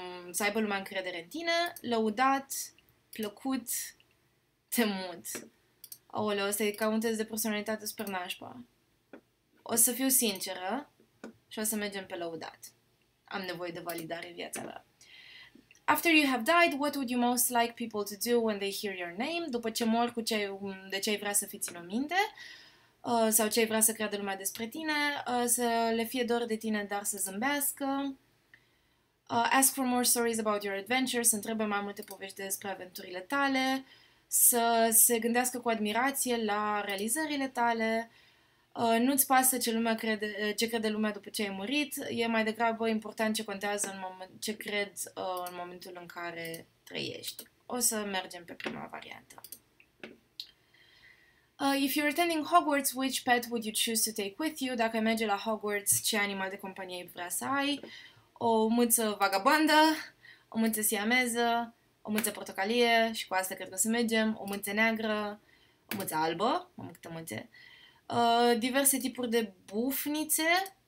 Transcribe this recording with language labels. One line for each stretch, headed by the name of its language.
Romanian: Să aibă lumea încredere în tine? Lăudat? Plăcut? Temut? Aoleu, ăsta e ca un test de personalitate super nașpa. O să fiu sinceră și o să mergem pe lăudat. Am nevoie de validare în viața mea.
English: After you have died, what would you most like people to do when they hear your name?
Romanian: După ce mor, de ce ai vrea să fii ținut minte? Sau ce ai vrea să creadă lumea despre tine? Să le fie dor de tine, dar să zâmbească?
English: Ask for more stories about your adventures.
Romanian: Să întrebe mai multe povești despre aventurile tale. Să se gândească cu admirație la realizările tale. Nu-ți pasă ce crede lumea după ce ai murit, e mai degrabă important ce contează în ce cred în momentul în care trăiești. O să mergem pe prima variantă.
English: If you're attending Hogwarts, which pet would you choose to take with you?
Romanian: Dacă merge la Hogwarts, ce animal de companie vrea să ai? O mâță vagabondă, o mâță siameză, o mâță portocalie și cu asta cred că o să mergem, o mâță neagră, o mâță albă, mamă câtă mâțe. Diverse tipuri de bufnițe,